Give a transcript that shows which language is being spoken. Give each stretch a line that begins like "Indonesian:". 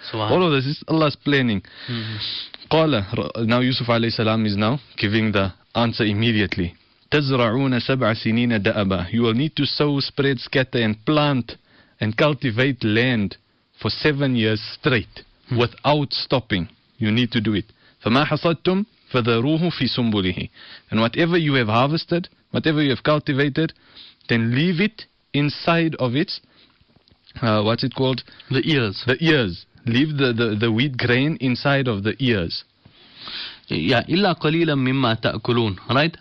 English: All of this is Allah's planning. Qala, now Yusuf alayhi salam is now giving the answer immediately.
Arabic: تزرعون سبع سنين دأبا.
English: You will need to sow, spread, scatter, and plant and cultivate land for 7 years straight without stopping. You need to do it.
Arabic: فما حصدتم فذروه في سنبله.
English: And whatever you have harvested, whatever you have cultivated, then leave it inside of its The ears. The ears. Leave the wheat grain inside of the ears.
Arabic: Yeah, illa qalilan mimma ta'kulun. Right?